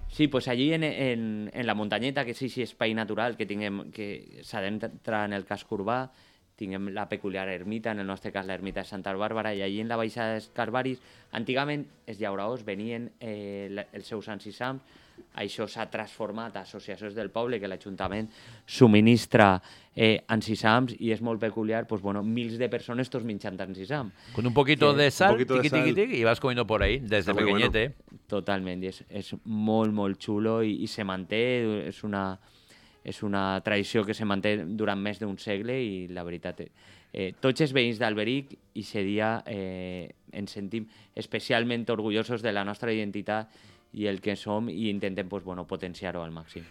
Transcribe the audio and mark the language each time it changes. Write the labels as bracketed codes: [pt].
[ca] Sí, pues allí en la muntanyeta, que sí, espai natural, que tinguem, que s'adentra en el casc urbà, tinguem la peculiar ermita, en el nostre cas l'ermita de Santa Bàrbara, i allí en la baixada dels Carbaris, antigament els llauraors venien els seus ansisams. Això s'ha transformat a associacions del poble, que l'Ajuntament subministra ansisams, i és molt peculiar, pues, bueno, mils de persones tots menjant ansisam. [es] Con un poquito de sal, tiqui-tiqui-tiqui, i vas comiendo por ahí, des de pequeñet. Bueno. [ca] Totalment, és molt, molt xulo, i se manté, és una tradició que se manté durant més d'un segle i la veritat, tots els veïns d'Alberic i aquest dia ens sentim especialment orgullosos de la nostra identitat i el que som i intentem pues, bueno, potenciar-ho al màxim.